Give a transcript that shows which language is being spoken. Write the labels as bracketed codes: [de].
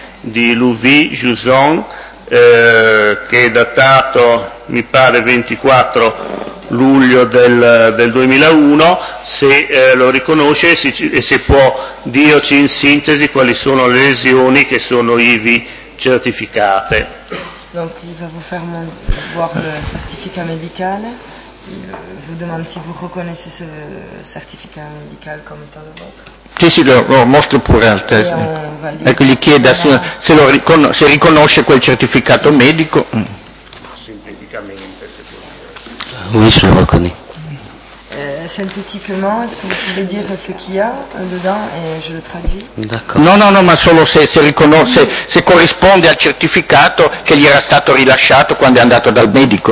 [it] di Louvy-Jouzon, che è datato, mi pare, 24 luglio del 2001, se lo riconosce e se può dirci in sintesi quali sono le lesioni che sono ivi certificate. [fr] Donc il va vous faire voir le certificat médical. Il vous demande si vous reconnaissez ce certificat médical comme étant le vôtre. [it] Sì, sì, lo mostro pure al testo. Ecco, gli chiede se riconosce quel certificato medico. Sinteticamente, se può dire. [fr] Oui, je le reconnais. Synthétiquement, est-ce que vous pouvez dire ce qu'il y a dedans et je le traduis? D'accord. [it] No, ma solo se corrisponde al certificato che gli era stato rilasciato quando è andato dal medico.